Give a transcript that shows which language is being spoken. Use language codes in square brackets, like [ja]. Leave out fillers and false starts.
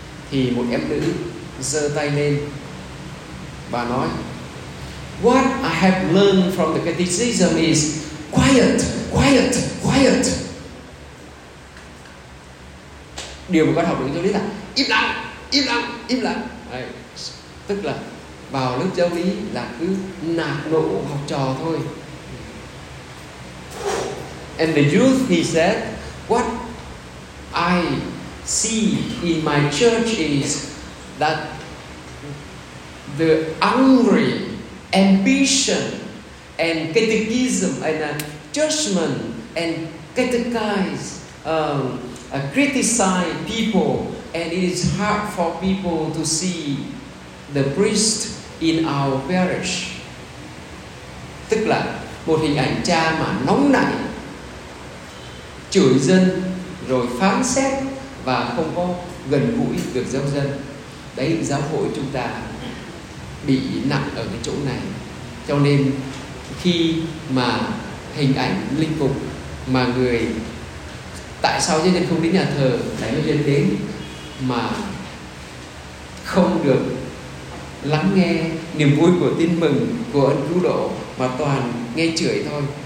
[vi] Thì một em nữ giơ tay lên và nói: [en] "What I have learned from the catechism is quiet, quiet, quiet." [vi] Điều mà con học được giáo lý là im lặng, im lặng, im lặng. Đấy. Tức là vào lớp giáo lý là cứ nạt nộ học trò thôi. [en] And the youth, he said, "What I see in my church is that the angry ambition and catechism and judgment and catechize criticize people, and it is hard for people to see the priest in our parish." [vi] Tức là một hình ảnh cha mà nóng nảy chửi dân rồi phán xét và không có gần gũi được giáo dân. Đấy, giáo hội chúng ta bị nặng ở cái chỗ này. Cho nên khi mà hình ảnh linh mục mà người, tại sao giáo dân không đến nhà thờ, tại giáo dân đến mà không được lắng nghe niềm vui của tin mừng của ân cứu độ mà toàn nghe chửi thôi.